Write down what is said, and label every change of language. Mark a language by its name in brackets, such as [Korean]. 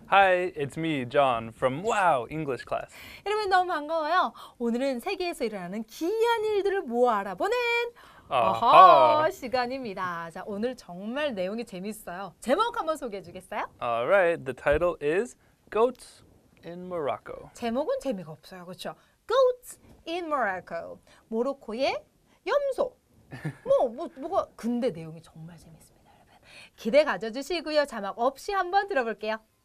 [English] Hi, it's me, John, from Wow English Class. [Korean] 여러분 너무 반가워요. 오늘은 세계에서 일어나는 기이한 일들을 모아 알아보는 어허 시간입니다. 자, 오늘 정말 내용이 재밌어요. 제목 한번 소개해 주겠어요? [English] All right, the title is Goats in Morocco. [Korean] 제목은 재미가 없어요, 그렇죠? [English] Goats in Morocco. 모로코의 염소. [Korean] 뭐가 근데 내용이 정말 재밌습니다, 여러분. 기대 가져주시고요. 자막 없이 한번 들어볼게요.